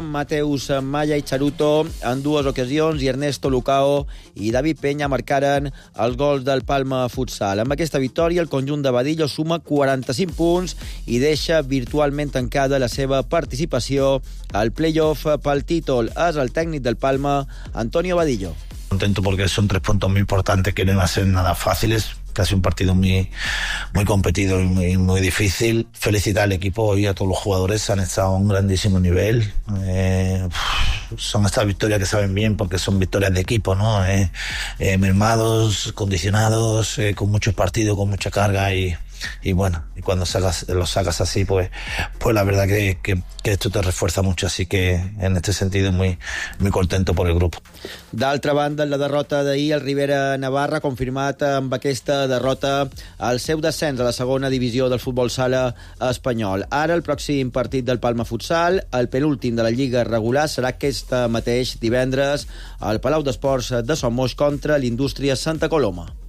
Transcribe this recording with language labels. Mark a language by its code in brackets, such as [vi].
[ca] Mateus Maya i Charuto en dues ocasions, i Ernesto Lucao i David Peña marcaren els gols del Palma Futsal. Amb aquesta victòria, el conjunt de Badillo suma 45 punts i deixa virtualment tancada la seva participació al play-off pel títol. Es el tècnic del Palma, Antonio Badillo. [es] Contento porque son tres puntos muy importantes que no van a ser nada fáciles. Casi un partido muy competido y muy difícil. Felicitar al equipo y a todos los jugadores. Han estado a un grandísimo nivel. Son estas victorias que saben bien porque son victorias de equipo, ¿no? Mermados, condicionados, con muchos partidos, con mucha carga y bueno, y cuando lo sacas así, pues la verdad que esto te refuerza mucho, así que en este sentido muy contento por el grupo. [ca] D'altra banda, en la derrota d'ahir, el Ribera Navarra ha confirmat amb aquesta derrota el seu descens a la segona divisió del futbol sala espanyol. Ara, el pròxim partit del Palma Futsal, el penúltim de la Lliga regular, serà aquest mateix divendres al Palau d'Esports de Somos contra l'Indústria Santa Coloma.